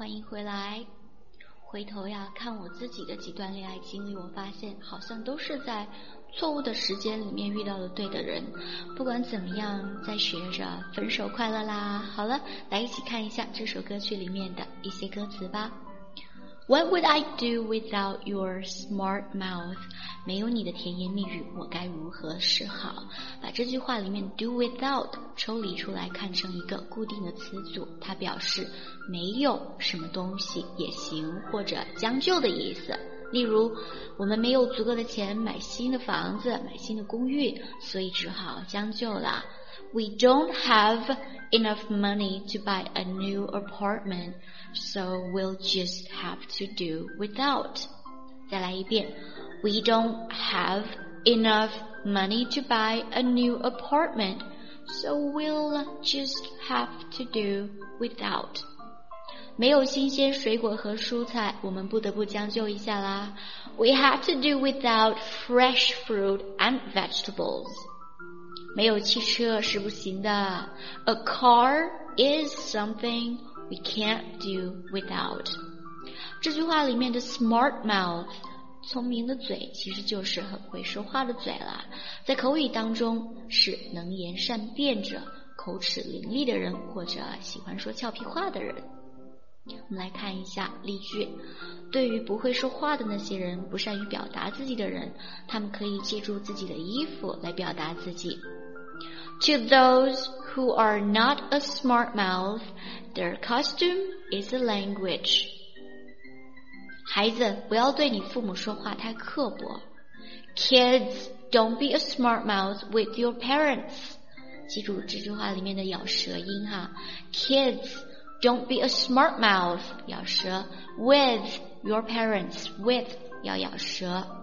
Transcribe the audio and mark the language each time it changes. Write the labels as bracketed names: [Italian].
[Chinese] 回来，回头呀，看我自己的几段恋爱经历，我发现好像都是在错误的时间里面遇到了对的人。不管怎么样，在学着分手快乐啦。好了，来一起看一下这首歌曲里面的一些歌词吧。 [English] What would I do without your smart mouth? [Chinese] 没有你的甜言蜜语，我该如何是好？把这句话里面 do without 抽离出来，看成一个固定的词组，它表示没有什么东西也行，或者将就的意思。例如，我们没有足够的钱买新的房子，买新的公寓，所以只好将就了。 [English] We don't have enough money to buy a new apartment, so we'll just have to do without. 再来一遍。 We don't have enough money to buy a new apartment, so we'll just have to do without. [Chinese] 没有新鲜水果和蔬菜，我们不得不将就一下啦。 [English] We have to do without fresh fruit and vegetables. 没有汽车是不行的。 A car is something we can't do without. [Chinese] 这句话里面的 smart mouth, 聪明的嘴，其实就是很会说话的嘴了。在口语当中是能言善辩者，口齿伶俐的人，或者喜欢说俏皮话的人。我们来看一下例句。对于不会说话的那些人，不善于表达自己的人，他们可以借助自己的衣服来表达自己。 [English] To those who are not a smart mouth, their costume is a language. [Chinese] 孩子，不要对你父母说话太刻薄。 [English] Kids, don't be a smart mouth with your parents. [Chinese] 记住这句话里面的咬舌音哈。 [English] Kids, don't be a smart mouth, 咬舌 with your parents, with 要咬舌。